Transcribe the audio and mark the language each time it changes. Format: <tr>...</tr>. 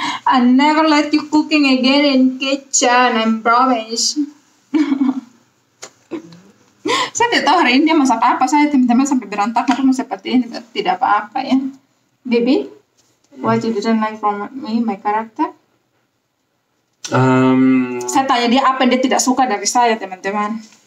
<en>I never let you cooking again in kitchen and promise.</en> <id>Saya tidak tahu hari ini dia masak apa. Saya teman-teman sampai berantakan rumah seperti ini. Tidak apa-apa ya.</id> <en>Baby, what you didn't like from me, my character?</en> <id>Saya tanya dia apa yang dia tidak suka dari saya, teman-teman.</id>